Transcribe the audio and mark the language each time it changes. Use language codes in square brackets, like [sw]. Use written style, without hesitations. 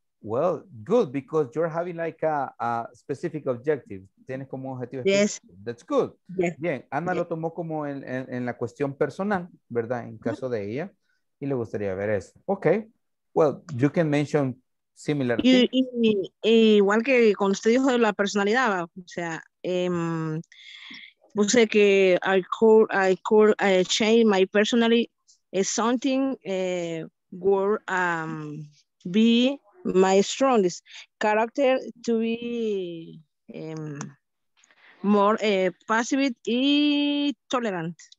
[en] well, good because you're having like a specific objective. [es] Tienes como objetivo. [en] Yes. [es] Específico. [en] That's good. Yes. [es] Bien. Ana [en] yes. [es] lo tomó como en la cuestión personal, ¿verdad? En caso mm-hmm. de ella y le gustaría ver eso. [en] Okay. Well, you can mention. Similar. [es] Igual que con usted dijo de la personalidad, ¿va? O sea, puse que [en] I could change my personality is something would be my strongest character to be more passive and tolerant.